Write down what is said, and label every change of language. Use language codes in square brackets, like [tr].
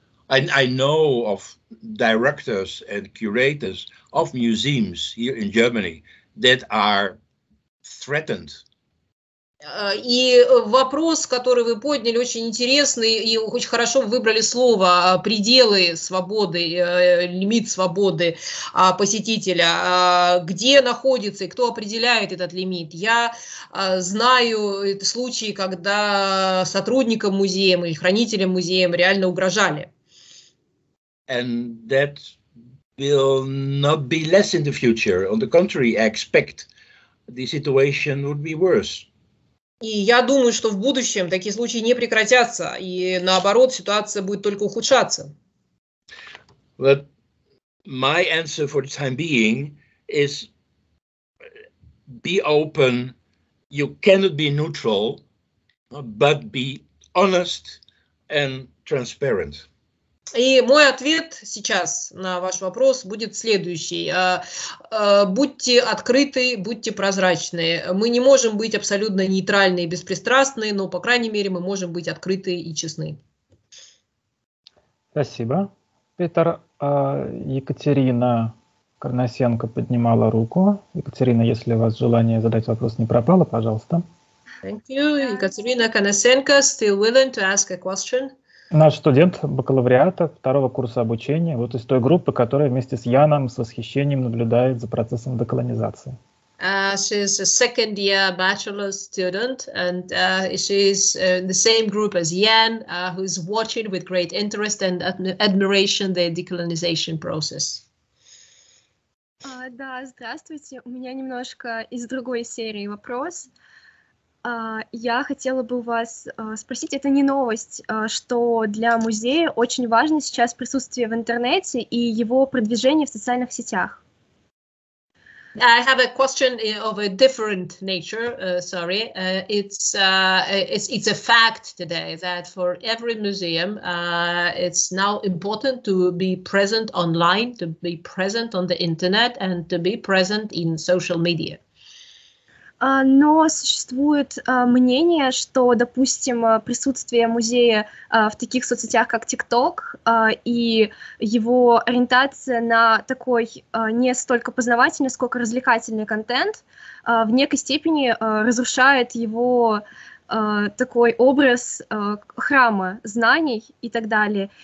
[en] And I know of directors and curators of museums here in Germany that are threatened. [ru] И вопрос, который вы подняли, очень интересный, и очень хорошо выбрали слово «пределы свободы», «лимит свободы посетителя». Где находится и кто определяет этот лимит? Я знаю случаи, когда сотрудникам музея или хранителям музея реально угрожали. [en] And that will not be less in the future. On the contrary, I expect the situation would be worse. [ru] И я думаю, что в будущем такие случаи не прекратятся, и наоборот, ситуация будет только ухудшаться. [en] But my answer for the time being is be open. You cannot be neutral, but be honest and transparent. [ru] И мой ответ сейчас на ваш вопрос будет следующий. Будьте открыты, будьте прозрачны. Мы не можем быть абсолютно нейтральны и беспристрастны, но, по крайней мере, мы можем быть открыты и честны. Спасибо, Петр. Екатерина Корнасенко поднимала руку. Екатерина, если у вас желание задать вопрос не пропало, пожалуйста. [en] Thank you. Екатерина Корнасенко, still willing to ask a question? [ru] Наш студент бакалавриата второго курса обучения, вот из той группы, которая вместе с Яном с восхищением наблюдает за процессом деколонизации. [en] She is a second year bachelor student, and she is in the same group as Jan, who is watching with great interest and admiration the decolonization process. [ru] Да, здравствуйте. У меня немножко из другой серии вопрос. Я хотела бы у вас спросить, это не новость, что для музея очень важно сейчас присутствие в интернете и его продвижение в социальных сетях. [en] I have a question of a different nature, sorry. It's a fact today that for every museum, it's now important to be present online, to be present on the internet and to be present in social media. [ru] Но существует мнение, что, допустим, присутствие музея в таких соцсетях, как TikTok, и его ориентация на такой не столько познавательный, сколько развлекательный контент, в некой степени разрушает его такой образ храма знаний и так далее.